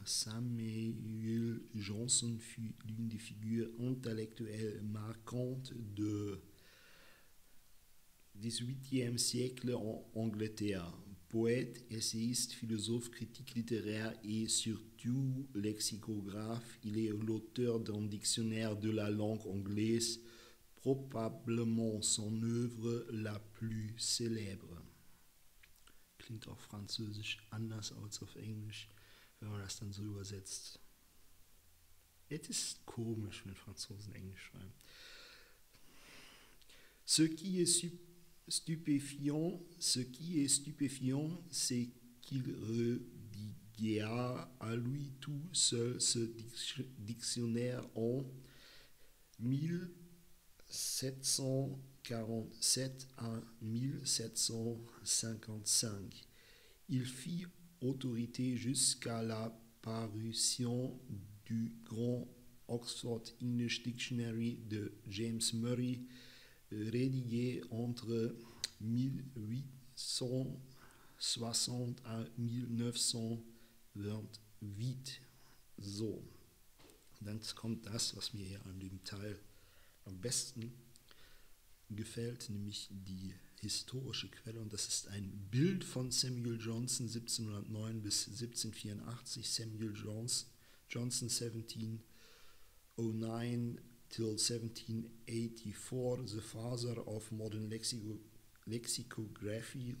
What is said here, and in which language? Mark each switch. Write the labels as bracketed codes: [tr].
[fr] Samuel Johnson fut l'une des figures intellectuelles marquantes de 18e siècle en Angleterre. Poète, essayiste, philosophe, critique littéraire et surtout lexicographe, il est l'auteur d'un dictionnaire de la langue anglaise, probablement son œuvre la plus célèbre. [de] Klingt auf Französisch anders als auf Englisch, wenn man das dann so übersetzt. Es ist komisch, wenn Franzosen Englisch schreiben. [fr] Ce qui est stupéfiant, ce qui est stupéfiant, c'est qu'il rédigea à lui tout seul ce dictionnaire en 1747 à 1755. Il fit autorité jusqu'à la parution du grand Oxford English Dictionary de James Murray, rédigé entre 1860 à 1928. [de] So, dann kommt das, was mir hier an dem Teil am besten gefällt, nämlich die historische Quelle und das ist ein Bild von Samuel Johnson 1709 bis 1784. [en] Samuel Johnson 1709 till 1784, the father of modern lexicography.